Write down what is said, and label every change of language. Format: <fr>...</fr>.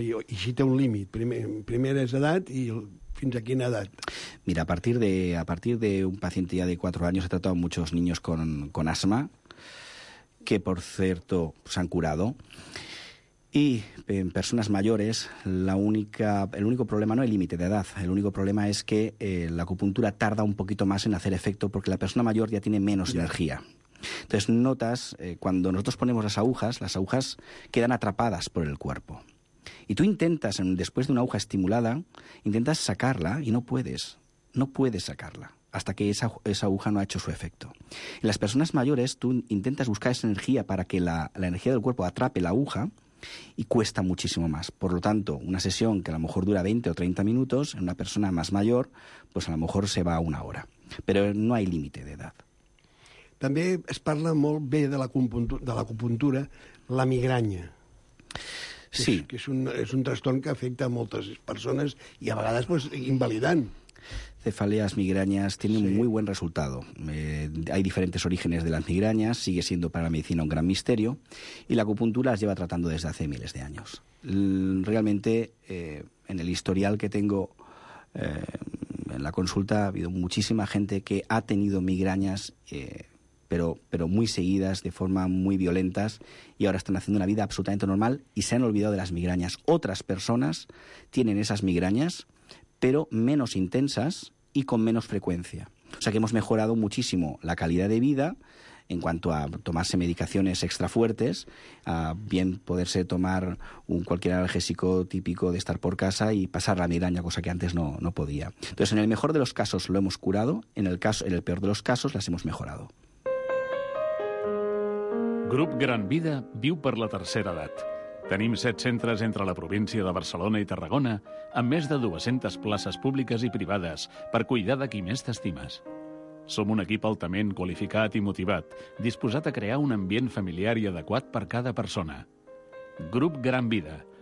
<ca>I si té un límit, primera és edat i fins a quina edat?</ca> <es>Mira, a partir de un paciente ya de 4 años he tratado muchos niños con asma, que por cierto se han curado. Y en personas mayores, el único problema, no el límite de edad, el único problema es que la acupuntura tarda un poquito más en hacer efecto porque la persona mayor ya tiene menos energía. Entonces notas, cuando nosotros ponemos las agujas quedan atrapadas por el cuerpo. Y tú intentas, después de una aguja estimulada, intentas sacarla y no puedes. No puedes sacarla hasta que esa aguja no ha hecho su efecto. En las personas mayores, tú intentas buscar esa energía para que la energía del cuerpo atrape la aguja y cuesta muchísimo más. Por lo tanto, una sesión que a lo mejor dura 20 o 30 minutos, en una persona más mayor, pues a lo mejor se va a una hora. Pero no hay límite de edad.</es> <ca>També es parla molt bé de l'acupuntura, la migranya. Sí. És un trastorn que afecta a moltes persones i a vegades, pues, invalidant.</ca> <es>Cefaleas, migrañas, tiene un muy buen resultado. Hay diferentes orígenes de las migrañas, sigue siendo para la medicina un gran misterio, y la acupuntura las lleva tratando desde hace miles de años. Realmente, en el historial que tengo en la consulta, ha habido muchísima gente que ha tenido migrañas, pero muy seguidas, de forma muy violentas, y ahora están haciendo una vida absolutamente normal y se han olvidado de las migrañas. Otras personas tienen esas migrañas, pero menos intensas y con menos frecuencia. O sea que hemos mejorado muchísimo la calidad de vida en cuanto a tomarse medicaciones extra fuertes, a bien poderse tomar cualquier analgésico típico de estar por casa y pasar la migraña, cosa que antes no podía. Entonces, en el mejor de los casos lo hemos curado, en el peor de los casos las hemos mejorado.</es> <ca>Grup Gran Vida viu per la tercera edat. Tenim 7 centres entre la província de Barcelona i Tarragona amb més de 200 places públiques i privades per cuidar de qui més t'estimes. Som un equip altament qualificat i motivat, disposat a crear un ambient familiar i adequat per cada persona. Grup Gran Vida.</ca>